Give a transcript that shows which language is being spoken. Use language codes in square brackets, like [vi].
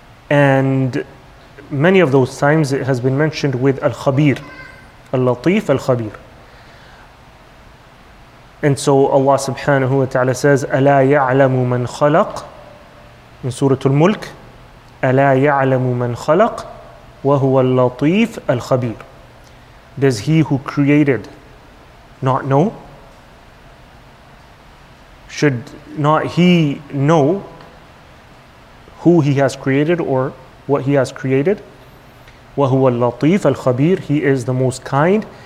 [en] And many of those times it has been mentioned with Al-Khabir. Al-Latif, Al-Khabir. And so Allah [ar] subhanahu wa ta'ala says, أَلَا يَعْلَمُ مَنْ خَلَقْ. [en] In Surah Al-Mulk, [ar] أَلَا يَعْلَمُ مَنْ خَلَقْ وَهُوَ اللَّطِيفُ الْخَبِيرُ. [en] Does he who created not know? Should not he know who he has created or what he has created? [ar] وَهُوَ اللَّطِيفُ الْخَبِيرُ. [en] He is the most kind.